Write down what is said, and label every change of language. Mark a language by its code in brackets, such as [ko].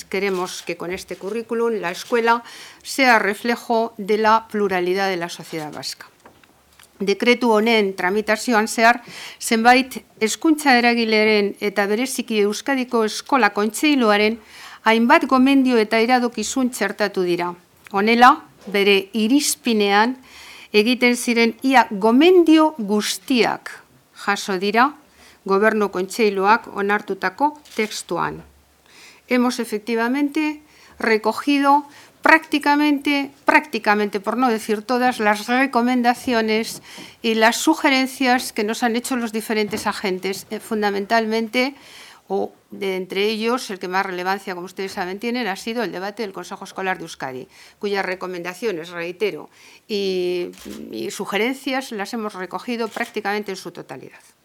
[es] queremos que con este currículum la escuela sea reflejo de la pluralidad de la sociedad vasca. [eu] Dekretu honen tramitazioan zehar, zenbait hezkuntza eragileren eta bereziki Euskadiko Eskola Kontseiluaren hainbat gomendio eta iradokizun txertatu dira. Honela, bere irizpinean egiten ziren ia gomendio guztiak jaso dira Gobernu Kontseiluak onartutako tekstuan. [es] Hemos efectivamente recogido prácticamente, por no decir todas, las recomendaciones y las sugerencias que nos han hecho los diferentes agentes, fundamentalmente, o de entre ellos, el que más relevancia, como ustedes saben, tienen, ha sido el debate del Consejo Escolar de Euskadi, cuyas recomendaciones, reitero, y sugerencias las hemos recogido prácticamente en su totalidad.